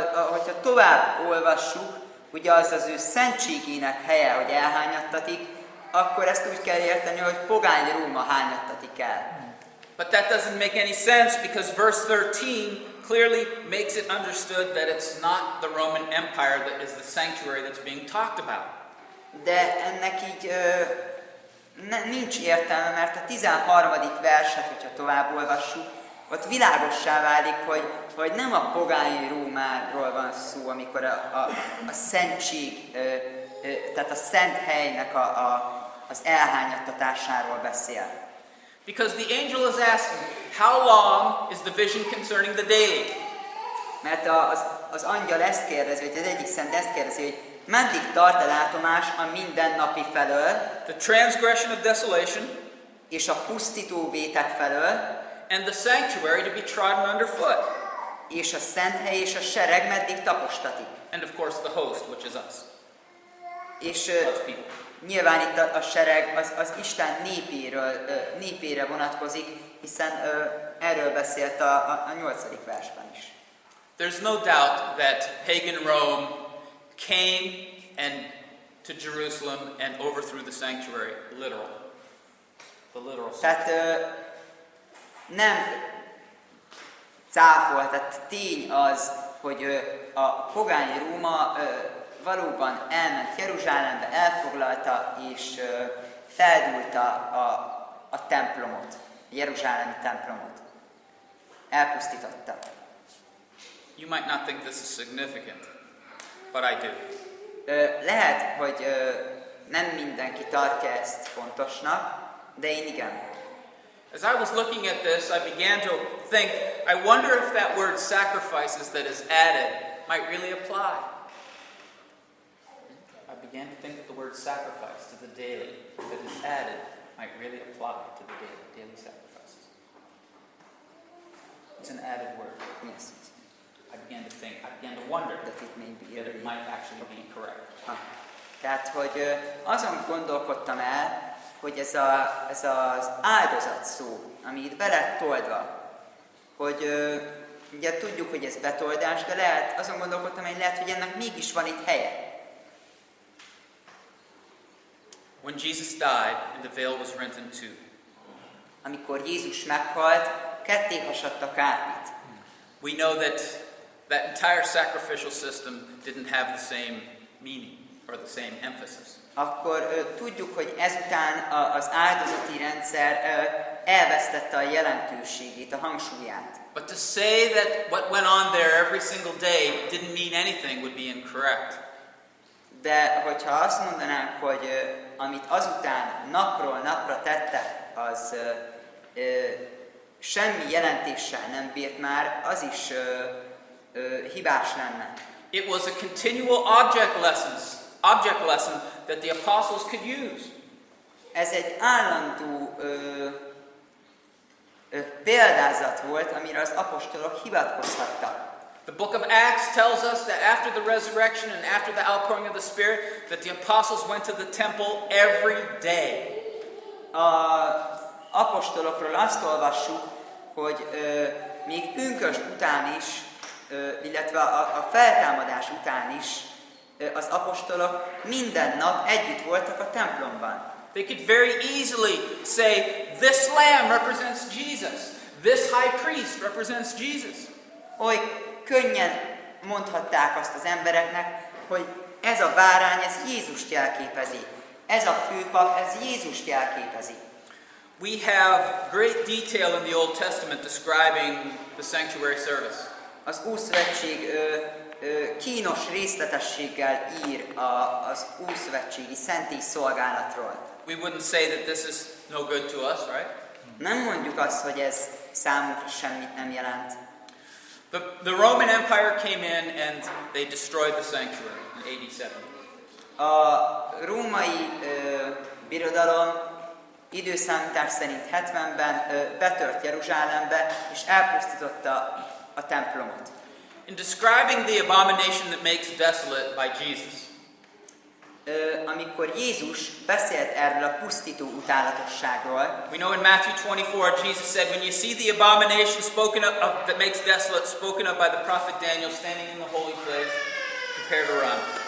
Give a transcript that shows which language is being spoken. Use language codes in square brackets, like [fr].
[hu] Hogyha tovább olvassuk, ugye az ő szentségének helye, hogy elhányattatik, akkor ezt úgy kell érteni, hogy pogány Róma hányattatik el. [en] But that doesn't make any sense because verse 13 clearly makes it understood that it's not the Roman Empire that is the sanctuary that's being talked about. [hu] De ennek így nincs értelme, mert a 13. verset, hogyha tovább olvassuk, ott világossá válik, hogy nem a pogány Rómáról van szó, amikor a szentség, tehát a szent helynek az elhányattatásáról beszél. [en] Because the angel is asking, how long is the vision concerning the daily? [hu] Mert az angyal ezt kérdezi, hogy az egyik szent ezt kérdezi, hogy meddig tart a látomás a mindennapi felől? [en] The transgression of desolation. [hu] És a pusztító vétek felől. [en] And the sanctuary to be trodden underfoot. [hu] És a szent hely és a sereg meddig tapostatik. [en] And of course the host, which is us. [hu] És nyilván itt a sereg az Isten népére vonatkozik, hiszen erről beszélt a 8. versben is. [en] There's no doubt that pagan Rome came and to Jerusalem and overthrew the sanctuary, the literal sanctuary. [hu] Nem cáfolt, tehát tény az, hogy a pogány Róma valóban elment Jeruzsálembe, elfoglalta és feldúlta a templomot, a jeruzsálemi templomot. Elpusztította. [en] You might not think this is significant, but I do. [hu] Lehet, hogy nem mindenki tartja ezt fontosnak, de én igen. [en] As I was looking at this, I began to think, I wonder if that word sacrifices that is added might really apply. I began to think that the word sacrifice to the daily that is added might really apply to the daily sacrifices. It's an added word. Yes. I began to wonder that it may be that it might actually be correct. [hu] Tehát, hogy azon gondolkodtam el, hogy ez az áldozat szó, ami itt be lett toldva, hogy ugye tudjuk, hogy ez betoldás, de lehet, azon gondolkodtam, hogy lehet, hogy ennek mégis van itt helye. [en] When Jesus died and the veil was rent in two. [hu] Amikor Jézus meghalt, ketté hasadt a kárpit. [en] We know that entire sacrificial system didn't have the same meaning or the same emphasis. [hu] Akkor tudjuk, hogy ezután az áldozati rendszer elvesztette a jelentőségét, a hangsúlyát. [en] But to say that what went on there every single day didn't mean anything would be incorrect. [hu] De hogyha azt mondanánk, hogy amit azután napról napra tette, az semmi jelentéssel nem bírt már, az is hibás lenne. [en] It was a continual object lesson that the apostles could use. [hu] Ez egy állandó példázat volt, amire az apostolok hivatkozhattak. [en] The book of Acts tells us that after the resurrection and after the outpouring of the Spirit, that the apostles went to the temple every day. [hu] Az apostolokról azt olvassuk, hogy még pünkösd után is, illetve a feltámadás után is, az apostolok minden nap együtt voltak a templomban. [en] They could very easily say, this lamb represents Jesus, this high priest represents Jesus. [hu] Oly könnyen mondhatták azt az embereknek, hogy ez a bárány, ez Jézust jelképezi. Ez a főpap, ez Jézust jelképezi. [en] We have great detail in the Old Testament describing the sanctuary service. [hu] Az Ószövetség kínos részletességgel ír az újszövetségi szentély szolgálatról. [en] We wouldn't say that this is no good to us, right? [hu] Nem mondjuk azt, hogy ez számunkra semmit nem jelent. [en] The Roman Empire came in and they destroyed the sanctuary in AD 70. [hu] A római birodalom időszámítás szerint 70-ben betört Jeruzsálembe és elpusztította a templomot. [en] In describing the abomination that makes desolate by Jesus. [hu] Amikor Jézus beszélt erről a pusztító utálatosságról. [en] We know in Matthew 24 Jesus said, when you see the abomination spoken of that makes desolate spoken of by the prophet Daniel standing in the holy place, prepare to run.